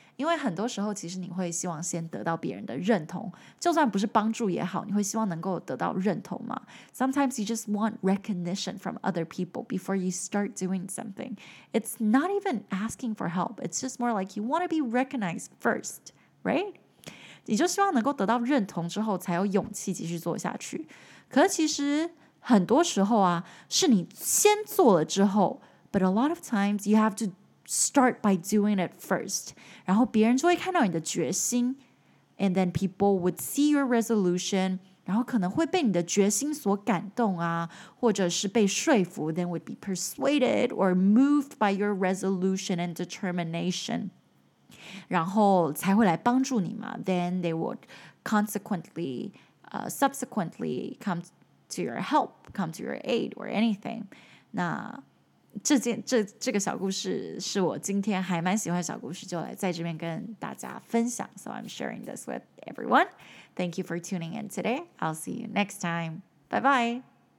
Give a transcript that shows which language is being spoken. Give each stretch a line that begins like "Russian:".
Chinese: 因为很多时候其实你会希望先得到别人的认同就算不是帮助也好你会希望能够得到认同嘛
English: Sometimes you just want recognition from other people before you start doing something. It's not even asking for help. It's just more like you want to be recognized first, right?
Chinese: 你就希望能够得到认同之后才有勇气继续做下去。可其实很多时候啊是你先做了之后
English: But a lot of times you have to start by doing it first
Chinese: 然后别人就会看到你的决心
English: And then people would see your resolution
Chinese: 然后可能会被你的决心所感动啊或者是被说服
English: Then would be persuaded or moved by your resolution and determination
Chinese: 然后才会来帮助你嘛
English: Then they would subsequently come to your help, come to your aid, or anything.
Chinese: 那这个小故事是我今天还蛮喜欢的小故事，就来在这边跟大家分享。
English: So I'm sharing this with everyone. Thank you for tuning in today. I'll see you next time. Bye-bye.